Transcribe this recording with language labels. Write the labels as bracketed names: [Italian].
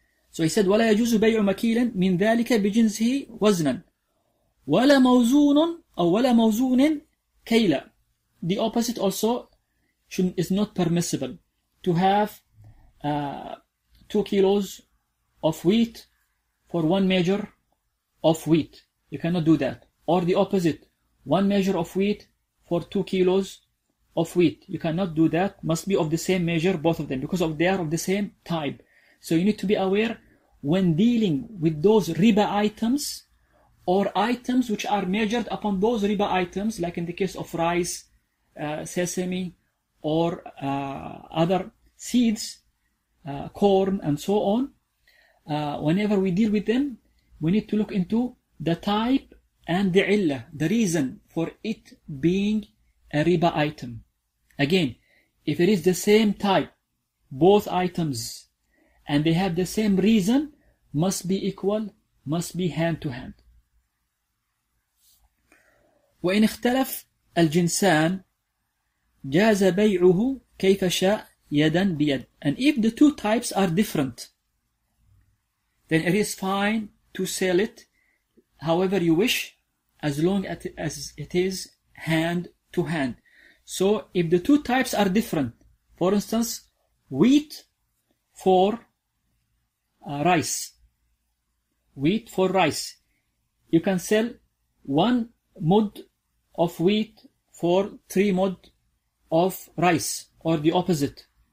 [English] So he said, [Arabic] "ولا يجوز بيع مكيلا من ذلك بجنسه وزنا ولا موزون أو ولا موزون كيلا." [English] The opposite also is not permissible, to have 2 kilos of wheat for 1 measure of wheat. You cannot do that. Or the opposite, 1 measure of wheat for 2 kilos of wheat. You cannot do that. Must be of the same measure, both of them, because of they are of the same type. So you need to be aware when dealing with those riba items or items which are measured upon those riba items, like in the case of rice, sesame, or other seeds, corn, and so on. Whenever we deal with them, we need to look into the type and the illah, the reason for it being a riba item. Again, if it is the same type, both items, and they have the same reason, must be equal, must be hand to hand. [Arabic] وإن اختلف الجنسان جاز بيعه كيف شاء يدا بيد. [English] And if the two types are different, then it is fine to sell it however you wish, as long as it is hand to hand. So if the two types are different, for instance, wheat for rice, wheat for rice, you can sell 1 mud of wheat for 3 mud of rice, or the opposite.